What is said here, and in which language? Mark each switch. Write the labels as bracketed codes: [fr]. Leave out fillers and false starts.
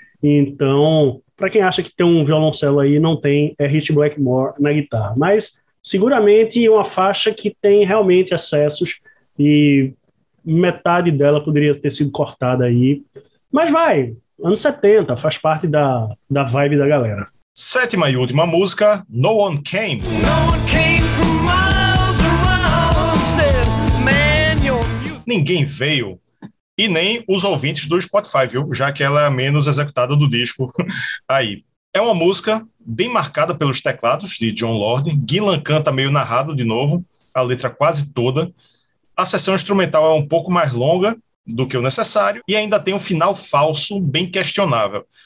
[pt] Então, para quem acha que tem um violoncelo aí, não tem, é Rich Blackmore na guitarra, mas seguramente uma faixa que tem realmente excessos, e metade dela poderia ter sido cortada aí. Mas vai, anos 70, faz parte da vibe da galera. Sétima e última música, No One Came. [en] No one came from miles around, said, man, you're... [pt] Ninguém veio, e nem os ouvintes do Spotify, viu? Já que ela é a menos executada do disco. Aí, é uma música bem marcada pelos teclados de John Lord. Gillan canta meio narrado de novo, a letra quase toda. A sessão instrumental é um pouco mais longa do que o necessário, e ainda tem um final falso bem questionável.